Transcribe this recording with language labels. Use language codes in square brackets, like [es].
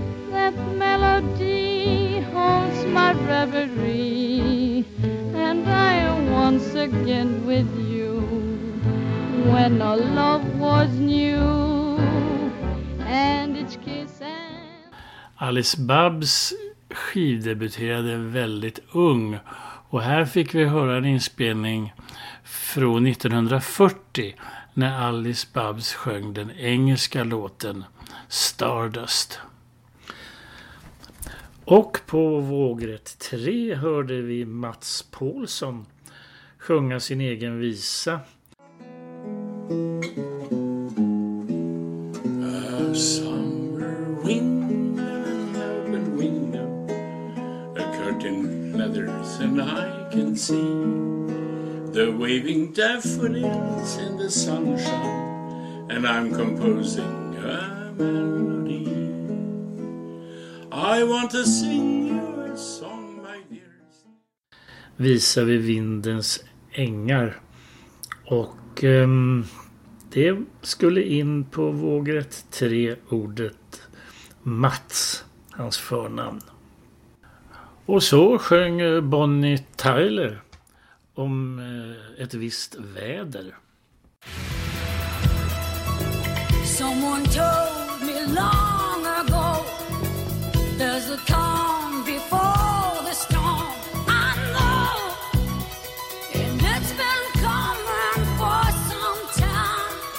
[en] That melody haunts my reverie, and I am once again with you. When our love was new and each kiss and... [sv] Alice Babs skivdebuterade väldigt ung, och här fick vi höra en inspelning från 1940 när Alice Babs sjöng den engelska låten Stardust. Och på vågrätt 3 hörde vi Mats Paulsson sjunga sin egen visa. [en] A summer wind and an open window, a curtain feathers and I can see the waving daffodils in the sunshine, and I'm composing a melody. I want to sing you a song, my dears. [sv] Visa vid vindens ängar. Och det skulle in på vågrätt 3, ordet Mats, hans förnamn. Och så sjöng Bonnie Tyler om ett visst väder. [en] Someone told me long ago, there's a calm before the storm. I know, and it's been coming for some time.